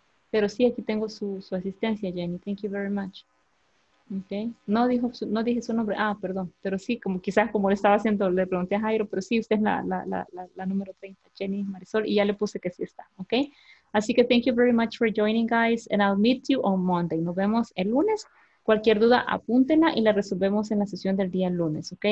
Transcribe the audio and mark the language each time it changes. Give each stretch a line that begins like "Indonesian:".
Spanish: Pero sí, aquí tengo su asistencia, Jenny.
English: Thank you very much.
Spanish: Okay. No dije su nombre. Ah, perdón. Pero sí, como quizás como le estaba haciendo, le pregunté a Jairo, pero sí, usted es la número 30, Jenny Marisol, y ya le puse que sí está. Okay. Así que
English: thank you very much for joining, guys, and I'll meet you on Monday.
Spanish: Nos vemos el lunes. Cualquier duda, apúntenla y la resolvemos en la sesión del día lunes, ¿ok?